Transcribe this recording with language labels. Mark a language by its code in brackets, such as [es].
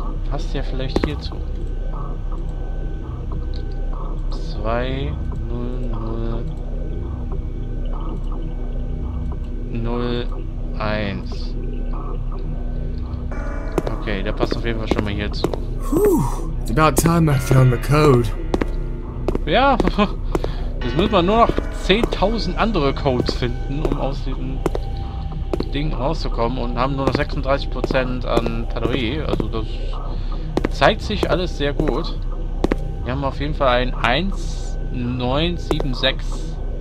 [de] Passt der vielleicht hierzu? 2001. Okay, der passt auf jeden Fall schon mal hierzu. [en] Puh, it's about time I found the code. [de] Ja, das müssen wir nur noch 10.000 andere Codes finden, um aus diesem Ding rauszukommen, und haben nur noch 36% an Batterie. Also das zeigt sich alles sehr gut. Wir haben auf jeden Fall ein 1976.